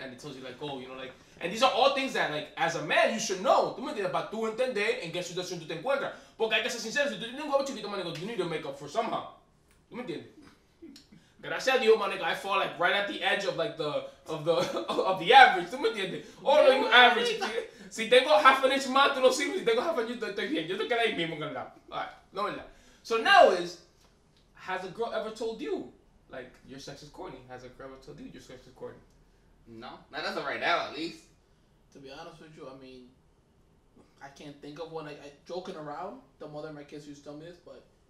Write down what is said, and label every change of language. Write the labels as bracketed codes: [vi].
[en] And it tells you, like, oh, you know, like... And these are all things that, like, as a man, you should know. [es] ¿Tú me entiendes? Para tú entender en qué situación tú te encuentras. Porque hay que ser sincero. Si tú tienes un huevo chiquito, manico, [en] you need to make up for somehow. [es] ¿Tú me entiendes? Gracias a Dios, manico, [en] I fall, like, right at the edge of, like, the average. [es] ¿Tú me entiendes? [en] Oh, no, you average. [es] Si tengo [en] half an inch [es] más, tú no sirves. Si tengo half an inch, estoy bien. Yo te quedo ahí mismo, ¿verdad? [en] All right. No, ¿verdad? So now is, has a girl ever told you, like, your sex is corny? Has a girl ever told you your sex is corny? No. Not as of right now, at least. To be honest with you, I mean, I can't think of one. I joking around, the mother of my kids used to tell me this, but.